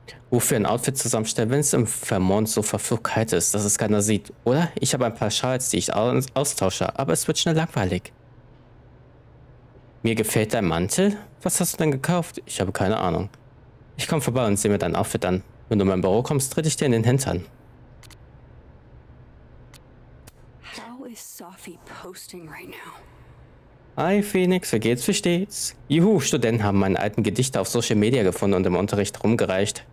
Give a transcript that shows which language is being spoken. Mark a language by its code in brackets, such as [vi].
[de] Wofür ein Outfit zusammenstellen, wenn es im Vermont so verflucht kalt ist, dass es keiner sieht, oder? Ich habe ein paar Schals, die ich austausche, aber es wird schnell langweilig. Mir gefällt dein Mantel? Was hast du denn gekauft? Ich habe keine Ahnung. Ich komme vorbei und sehe mir dein Outfit an. Wenn du in mein Büro kommst, tritt ich dir in den Hintern. [en] How is Sophie posting right now? [de] Hi Phoenix, wie geht's, wie steht's? Juhu, Studenten haben meine alten Gedichte auf Social Media gefunden und im Unterricht rumgereicht.